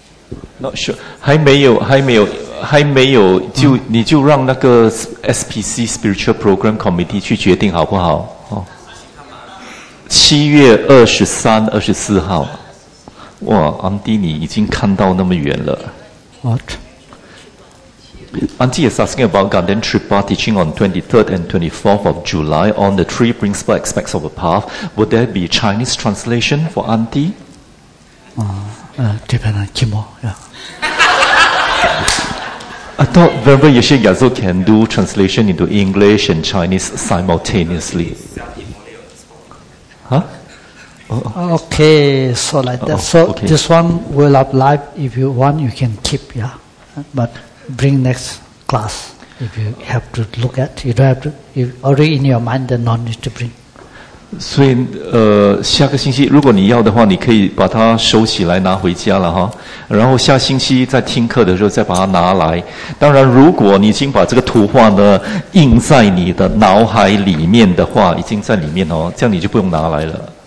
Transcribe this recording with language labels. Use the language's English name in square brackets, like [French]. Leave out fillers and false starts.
[Chinese] 啊 ？ [English] Not sure， [Chinese] 还没有，就、你就让那个 SPC Spiritual Program Committee 去决定好不好？哦，7月23、24号。哇，安迪，你已经看到那么远了。 [English] What? Auntie is asking about Ganden Tripa teaching on 23rd and 24th of July on the three principal aspects of a path. Would there be Chinese translation for Auntie? Depend on Kimo, yeah. I thought Verbal Yeshe Yazo can do translation into English and Chinese simultaneously. Huh? Okay, so like that. So okay. This one will apply. If you want, you can keep, yeah. But bring next class. If you have to look at, you don't have to. If already in your mind, then no need to bring. [Chinese] 所以下个星期如果你要的话，你可以把它收起来拿回家了哈。然后下星期在听课的时候再把它拿来。当然，如果你已经把这个图画呢印在你的脑海里面的话，已经在里面哦，这样你就不用拿来了。